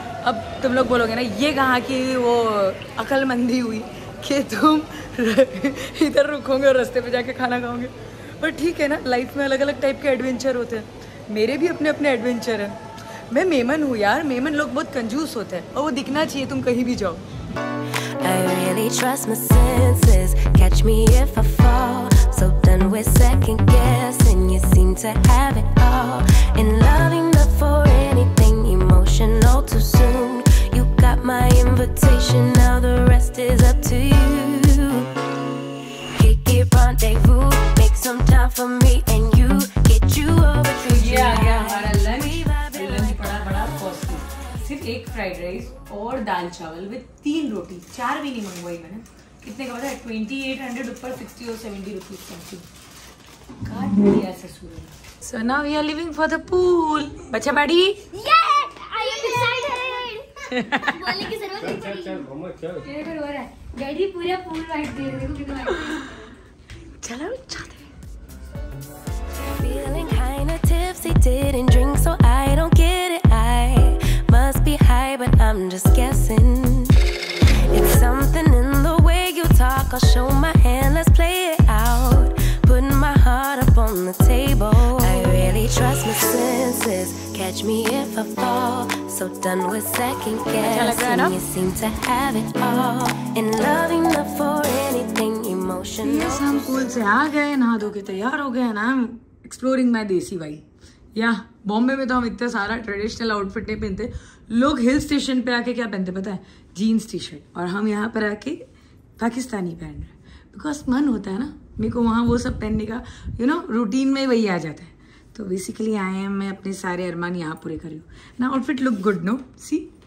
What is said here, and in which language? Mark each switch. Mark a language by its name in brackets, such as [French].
[Hindi] अब तुम लोग बोलोगे ना ये कहाँ की वो अकलमंदी हुई कि तुम इधर रुकोगे और रस्ते पे जाके खाना खाओगे, पर ठीक है ना, लाइफ में अलग अलग टाइप के एडवेंचर होते हैं, मेरे भी अपने अपने एडवेंचर हैं। मैं मेमन हूँ यार, मेमन लोग बहुत कंजूस होते हैं और वो दिखना चाहिए तुम कहीं भी जाओ। [English] I really trust my senses, catch me if I fall, so done with second guessing, you seem to have it all, in love enough for anything, emotional too soon, you got my invitation, now the rest is up to you, kick it rendezvous, make some time for me and you, get you over to you. Yeah, yeah, yeah. [Hindi] सिर्फ एक fried rice और दाल चावल with 3 रोटी, 4 भी नहीं मंगवाई मैंने, कितने का पता है 2800 ऊपर 60 or 70 रुपीज समथिंग काट दिया ससुर। [English] so now we are living for the pool, [Hindi] बच्चा बड़ी ये [English] I am decided, [Hindi] बोलने की जरूरत नहीं, चल चल घूमो, चल तेरे को डर हो रहा है, डैडी पूरा पूल राइड दे रहे हैं तुझे, चलो चल। [English] Feeling kind of tipsy, didn't drink so I don't get it, I must be high but I'm just guessing, it's something in the way you talk, I'll show my hand, let's play it out, putting my heart up on the table, I really trust my senses, catch me if I fall, so done with second guessing, you seem to have it all, in love enough for anything emotional. Yes, I'm cool [Hindi] se aa gaye, nah do ke tayar ho gaye, [English] and I'm exploring my desi vibe. [Hindi] या बॉम्बे में तो हम इतना सारा traditional outfit नहीं पहनते, लोग hill station पे आके क्या पहनते पता है, जीन्स टी शर्ट, और हम यहाँ पर आके पाकिस्तानी पहन रहे, बिकॉज मन होता है ना मेरे को वहाँ वो सब पहनने का, [English] you know [Hindi] रूटीन में वही आ जाता है, तो [English] basically I am, [Hindi] मैं अपने सारे अरमान यहाँ पूरे कर रही हूँ ना, [English] outfit look good no, see